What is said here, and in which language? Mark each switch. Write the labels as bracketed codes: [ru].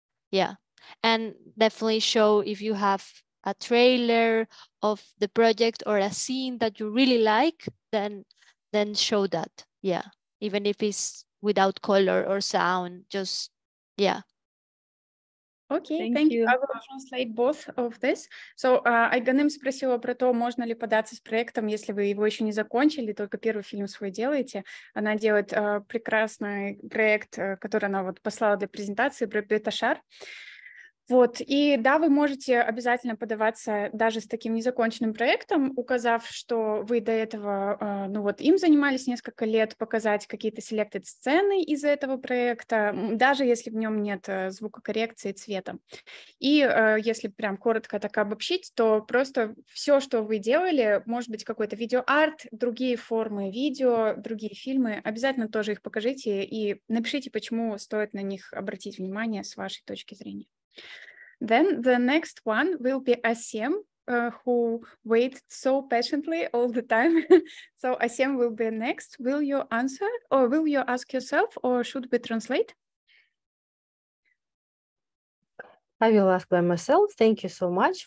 [en] Yeah, and definitely show if you have a trailer of the project or a scene that you really like, then show that. Yeah, even if it's without color or sound, just yeah. Окей, thank you. I will translate both of this. [ru] So, Айганым спросила про то, можно ли податься с проектом, если вы его еще не закончили, только первый фильм свой делаете. Она делает прекрасный проект, который она вот послала для презентации про Бетошар. Вот, и да, вы можете обязательно подаваться даже с таким незаконченным проектом, указав, что вы до этого, ну вот, им занимались несколько лет, показать какие-то селектед сцены из этого проекта, даже если в нем нет звукокоррекции цвета. И если прям коротко так обобщить, то просто все, что вы делали, может быть, какой-то видеоарт, другие формы видео, другие фильмы, обязательно тоже их покажите и напишите, почему стоит на них обратить внимание с вашей точки зрения. [en] Then the next one will be Asim, who waited so patiently all the time. So Asim will be next. Will you answer, or will you ask yourself, or should we translate? I will ask by myself. Thank you so much.